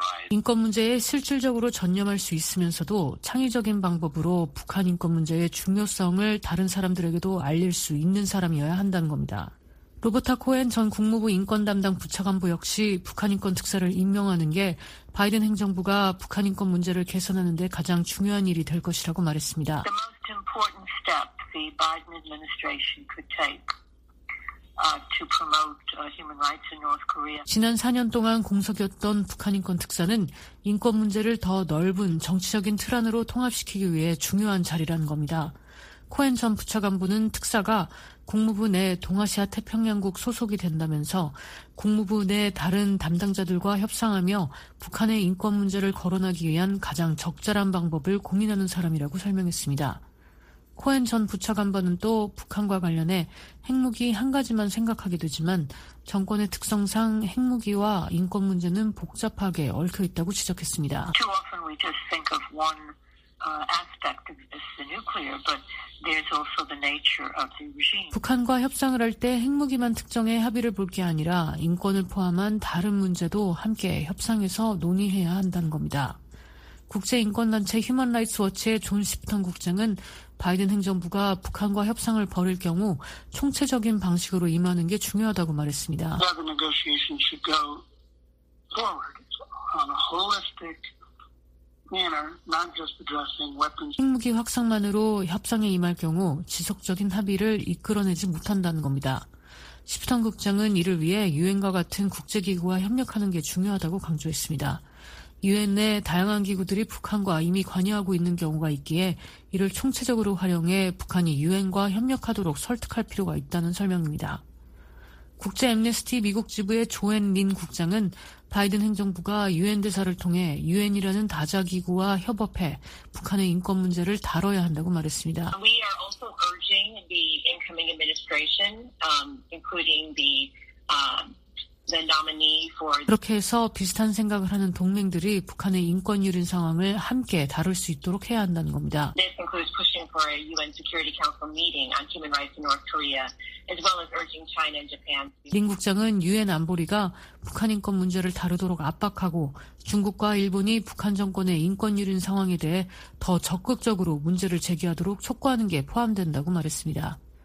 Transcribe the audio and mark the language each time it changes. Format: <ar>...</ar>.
<ko>인권 문제에 실질적으로 전념할 수 있으면서도 창의적인 방법으로 북한 인권 문제의 중요성을 다른 사람들에게도 알릴 수 있는 사람이어야 한다는 겁니다. 로버타 코엔 전 국무부 인권 담당 부차관보 역시 북한 인권 특사를 임명하는 게 바이든 행정부가 북한 인권 문제를 개선하는 데 가장 중요한 일이 될 것이라고 말했습니다.</ko> <en>The most important step the Biden administration could take. To promote human rights in North Korea.</en> <ko>지난 4년 동안 공석이었던 북한인권특사는 인권 문제를 더 넓은 정치적인 틀 안으로 통합시키기 위해 중요한 자리라는 겁니다. 코엔 전 부차관보는 특사가 국무부 내 동아시아 태평양국 소속이 된다면서 국무부 내 다른 담당자들과 협상하며 북한의 인권 문제를 거론하기 위한 가장 적절한 방법을 고민하는 사람이라고 설명했습니다. 코엔 전 부차관보는 또 북한과 관련해 핵무기 한 가지만 생각하게 되지만 정권의 특성상 핵무기와 인권 문제는 복잡하게 얽혀 있다고 지적했습니다.</ko> <en>Too often we just think of one aspect of this, the nuclear, but there's also the nature of the regime.</en> <ko>북한과 협상을 할 때 핵무기만 특정해 합의를 볼 게 아니라 인권을 포함한 다른 문제도 함께 협상해서 논의해야 한다는 겁니다. 국제인권단체 휴먼라이츠워치의 존 시프턴 국장은 바이든 행정부가 북한과 협상을 벌일 경우 총체적인 방식으로 임하는 게 중요하다고 말했습니다.</ko> <en>The negotiation should go forward on a holistic manner, not just addressing weapons.</en> <ko>핵무기 확산만으로 협상에 임할 경우 지속적인 합의를 이끌어내지 못한다는 겁니다. 시프턴 국장은 이를 위해 유엔과 같은 국제기구와 협력하는 게 중요하다고 강조했습니다. 유엔 내 다양한 기구들이 북한과 이미 관여하고 있는 경우가 있기에 이를 총체적으로 활용해 북한이 유엔과 협력하도록 설득할 필요가 있다는 설명입니다. 국제 앰네스티 미국 지부의 조앤 린 국장은 바이든 행정부가 유엔 대사를 통해 유엔이라는 다자 기구와 협업해 북한의 인권 문제를 다뤄야 한다고 말했습니다.</ko> <en>We are also urging the incoming administration, including the nominee for</en> <ko>그렇게 해서 비슷한 생각을 하는 동맹들이 북한의 인권 유린 상황을 함께 다룰 수 있도록 해야 한다는 겁니다.</ko> <en>This includes pushing for a UN Security Council meeting on human rights in North Korea, as well as urging China and Japan.</en> <ko>린 국장은 유엔 안보리가 북한 인권 문제를 다루도록 압박하고 중국과 일본이 북한 정권의 인권 유린 상황에 대해 더 적극적으로 문제를 제기하도록 촉구하는 게 포함된다고 말했습니다.</ko>